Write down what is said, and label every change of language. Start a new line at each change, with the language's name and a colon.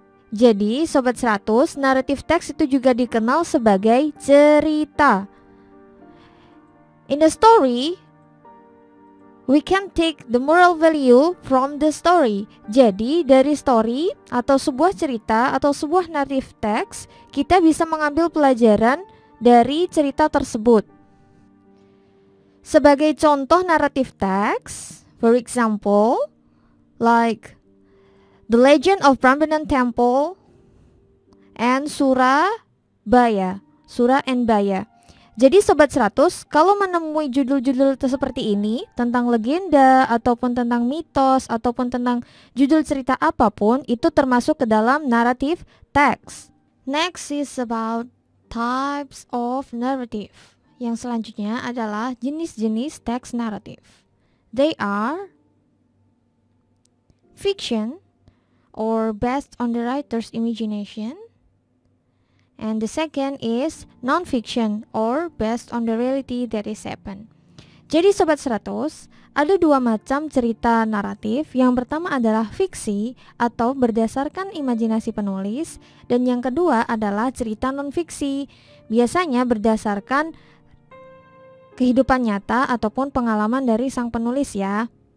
Indonesian: Jadi, Sobat 100, narrative text itu juga dikenal sebagai cerita.
English: In the story, we can take the moral value from the story.
Indonesian: Jadi, dari story atau sebuah cerita atau sebuah narrative text, kita bisa mengambil pelajaran dari cerita tersebut. Sebagai contoh
English: narrative text, for example, like The Legend of Prambanan Temple and Surabaya. Surabaya.
Indonesian: Jadi Sobat 100, kalau menemui judul-judul seperti ini tentang legenda ataupun tentang mitos ataupun tentang judul cerita apapun, itu termasuk ke dalam narrative text.
English: Next is about types of narrative.
Indonesian: Yang selanjutnya adalah jenis-jenis teks narrative.
English: They are fiction or based on the writer's imagination. And the second is non-fiction or based on the reality that is happened.
Indonesian: Jadi Sobat 100, ada dua macam cerita naratif. Yang pertama adalah fiksi atau berdasarkan imajinasi penulis. Dan yang kedua adalah cerita non-fiksi, biasanya berdasarkan kehidupan nyata ataupun pengalaman dari sang penulis ya.